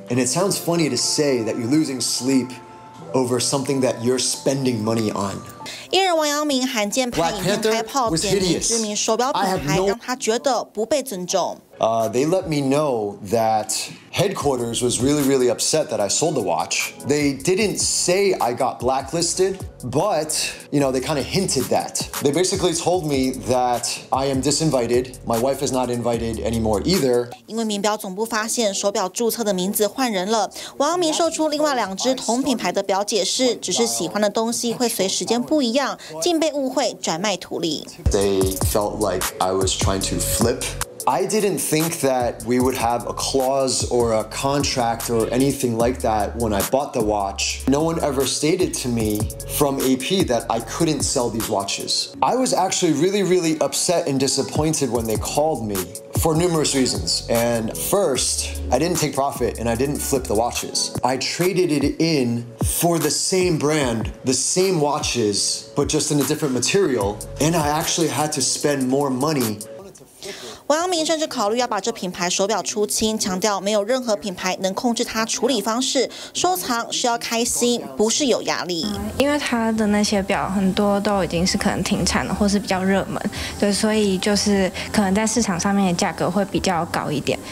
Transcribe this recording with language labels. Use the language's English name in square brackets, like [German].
[English] And it sounds funny to say that you're losing sleep over something that you're spending money on. [Chinese] 艺人王阳明罕见拍影片开炮点名知名手表品牌，让他觉得不被尊重。 [English] They let me know that headquarters was really, really upset that I sold the watch. They didn't say I got blacklisted, but you know, they kind of hinted that. They basically told me that I am disinvited. My wife is not invited anymore either. [Chinese] 因为名表总部发现手表注册的名字换人了，王阳明售出另外两只同品牌的表，解释只是喜欢的东西会随时间不一样，竟被误会转卖图利。 [English] They felt like I was trying to flip. I didn't think that we would have a clause or a contract or anything like that when I bought the watch. No one ever stated to me from AP that I couldn't sell these watches. I was actually really, really upset and disappointed when they called me for numerous reasons. And first, I didn't take profit and I didn't flip the watches. I traded it in for the same brand, the same watches, but just in a different material. And I actually had to spend more money. [Chinese] 王阳明甚至考虑要把这品牌手表出清，强调没有任何品牌能控制他处理方式，收藏是要开心，不是有压力。因为他的那些表很多都已经是可能停产了，或是比较热门，对，所以就是可能在市场上面的价格会比较高一点。